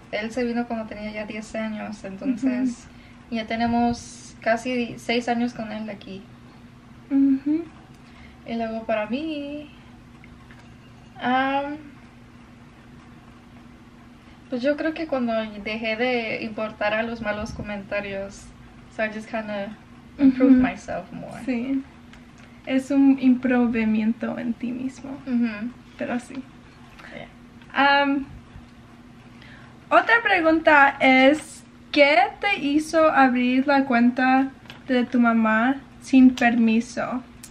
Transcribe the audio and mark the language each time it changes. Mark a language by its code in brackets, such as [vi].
[es] Él se vino cuando tenía ya 10 años. Entonces ya tenemos casi 6 años con él aquí. Y luego para mí... pues yo creo que cuando dejé de importar a los malos comentarios. [en] So I just kinda improve myself more. [es] Sí. Es un improvemiento en ti mismo. Pero sí. [en] Yeah. [es] Otra pregunta es, ¿qué te hizo abrir la cuenta de tu mamá sin permiso?